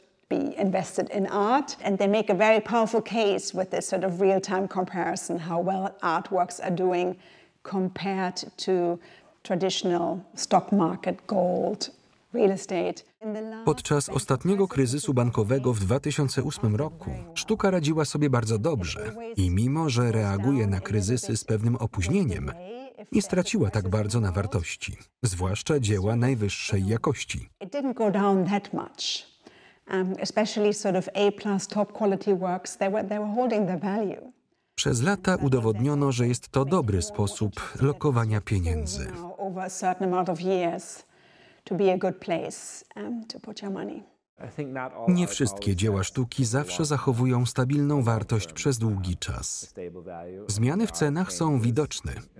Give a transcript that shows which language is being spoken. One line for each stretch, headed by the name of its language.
English: Be invested in art, and they make a very powerful case with this sort of real-time comparison how well artworks are doing compared to traditional stock market, gold, real estate.
Polish: Podczas ostatniego kryzysu bankowego w 2008 roku sztuka radziła sobie bardzo dobrze i mimo że reaguje na kryzysy z pewnym opóźnieniem, nie straciła tak bardzo na wartości, zwłaszcza dzieła najwyższej jakości.
English: It didn't go down that much. Especially sort of A+ top quality works, they were holding the value.
Polish: Przez lata udowodniono, że jest to dobry sposób lokowania pieniędzy.
English: Over a certain amount of years to be a good place to put your money.
Polish: Nie wszystkie dzieła sztuki zawsze zachowują stabilną wartość przez długi czas. Zmiany w cenach są widoczne.